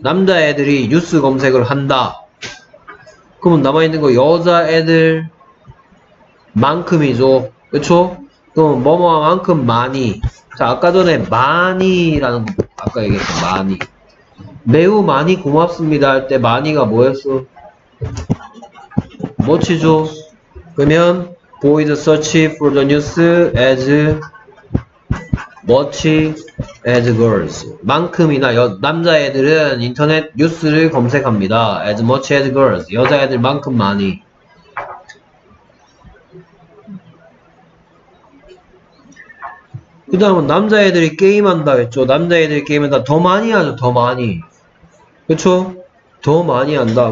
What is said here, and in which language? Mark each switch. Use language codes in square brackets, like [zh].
[ko] 남자애들이 뉴스 검색을 한다. 그러면 남아있는 거 여자애들만큼이죠. 그쵸? 그럼 뭐뭐만큼 많이. 자, 아까 전에 많이라는 거 아까 얘기했던 많이. 매우 많이 고맙습니다 할 때 많이가 뭐였어? 멋지죠? 그러면 [en] boys search for the news as much as girls. [ko] 만큼이나 남자애들은 인터넷 뉴스를 검색합니다. [en] As much as girls. [ko] 여자애들만큼 많이. 그 다음은 남자애들이 게임한다 했죠. 남자애들이 게임한다. 더 많이 하죠. 더 많이. 그쵸? 더 많이 한다.